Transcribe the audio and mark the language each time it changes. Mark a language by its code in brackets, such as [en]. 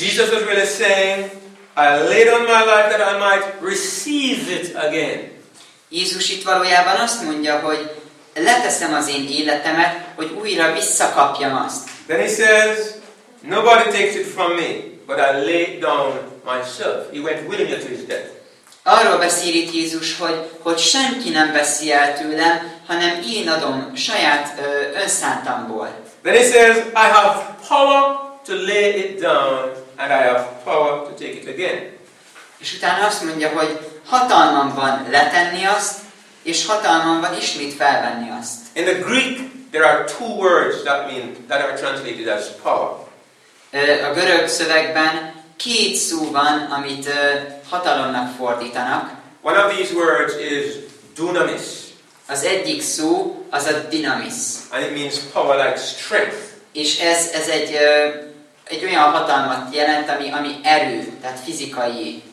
[en] Jesus was really saying, I laid on my life that I might receive it again. [hu] Jézus itt valójában azt mondja, hogy leteszem az én életemet, hogy újra visszakapjam azt. [en] Then he says, nobody takes it from me, but I laid down myself. He went willingly to his death. [hu] Arról beszél itt Jézus, hogy senki nem veszi el tőlem, hanem én adom saját önszántamból. [en] Then he says, I have power to lay it down, and I have power to take it again. [hu] És utána azt mondja, hogy hatalmam van letenni azt, és hatalmam van ismét felvenni azt. [en] In the Greek, there are two words that are translated as power. [hu] A görög szövegben két szó van, amit hatalomnak fordítanak. [en] One of these words is dunamis. [hu] Az egyik szó az a dynamis. [en] And it means power like strength. [hu] És ez egy olyan hatalmat jelent, ami erő, tehát fizikai.